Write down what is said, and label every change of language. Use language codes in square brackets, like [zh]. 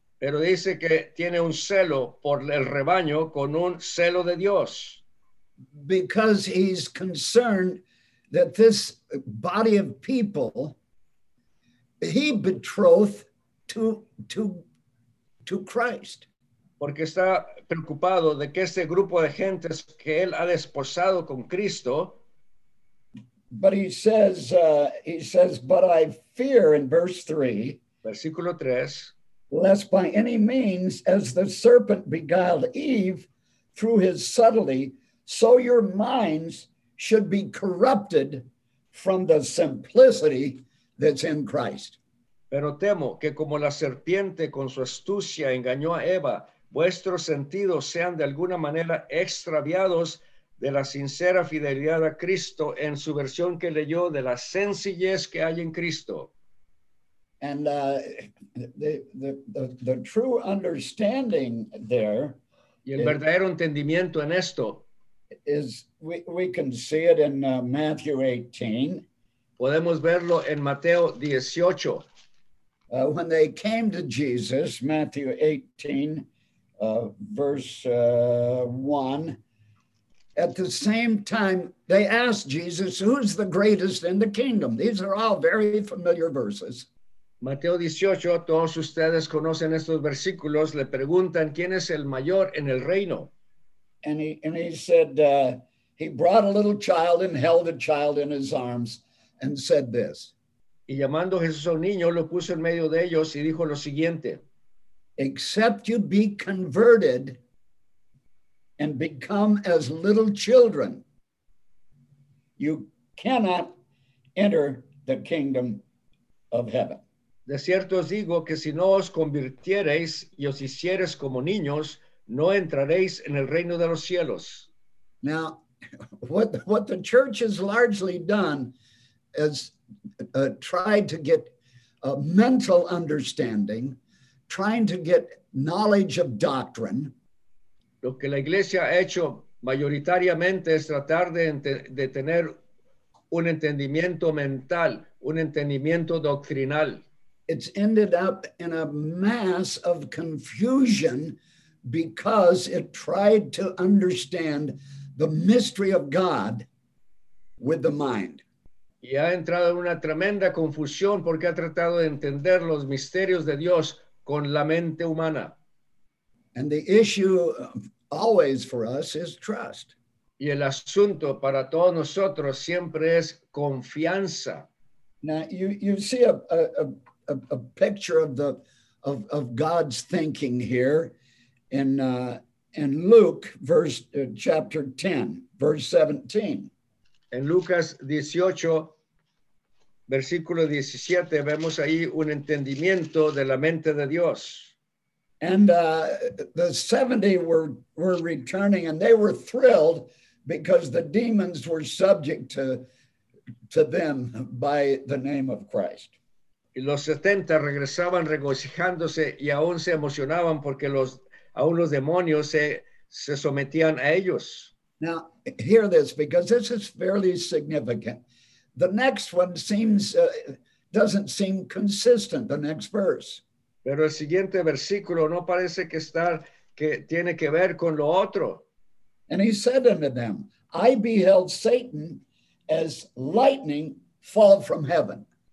[es] Pero dice que tiene un celo por el rebaño con un celo de Dios. [en] Because he's concerned that this body of people he betrothed to Christ. [es] Porque está preocupado de que este grupo de gentes que él ha desposado con Cristo. [en] But he says, but I fear in verse 3. [es] Versículo 3. [en] Lest by any means, as the serpent beguiled Eve through his subtlety, so your minds should be corrupted from the simplicity that's in Christ. [es] Pero temo que como la serpiente con su astucia engañó a Eva, vuestros sentidos sean de alguna manera extraviados de la sincera fidelidad a Cristo en su versión que leyó de la sencillez que hay en Cristo. [en] And the true understanding there. [es] Y el verdadero entendimiento en esto. [en] Is we can see it in Matthew 18. [es] Podemos verlo en Mateo 18. [en] When they came to Jesus, Matthew 18, verse 1. At the same time, they asked Jesus, who's the greatest in the kingdom? These are all very familiar verses. [es] Mateo 18, todos ustedes conocen estos versículos. Le preguntan, ¿quién es el mayor en el reino? [en] And he said, he brought a little child and held the child in his arms and said this. [es] Y llamando Jesús a un niño, lo puso en medio de ellos y dijo lo siguiente. [en] Except you be converted and become as little children, you cannot enter the kingdom of heaven. [es] De cierto os digo que si no os convirtiereis y os hiciereis como niños, no entraréis en el reino de los cielos. [en] Now, what the church has largely done is tried to get a mental understanding, trying to get knowledge of doctrine. [es] Lo que la iglesia ha hecho mayoritariamente es tratar de tener un entendimiento mental, un entendimiento doctrinal. [en] it's ended up in a mass of confusion because it tried to understand the mystery of God with the mind. [es] Y ha entrado en una tremenda confusión porque ha tratado de entender los misterios de Dios con la mente humana. [en] And the issue always for us is trust. [es] Y el asunto para todos nosotros siempre es confianza. [en] Now you see a picture of the of God's thinking here in Luke verse chapter 10 verse 17. [es] En Lucas 18 versículo 17 vemos ahí un entendimiento de la mente de Dios. [en] And the 70 were returning and they were thrilled because the demons were subject to them by the name of Christ. [es] Y los 70 regresaban regocijándose y aún se emocionaban porque los demonios se sometían a ellos. [en] Now, hear this, because this is fairly significant. The next one doesn't seem consistent, the next verse. [es] Pero el siguiente versículo no parece que tiene que ver con lo otro. [en] And he said unto them, I beheld Satan as lightning fall from heaven.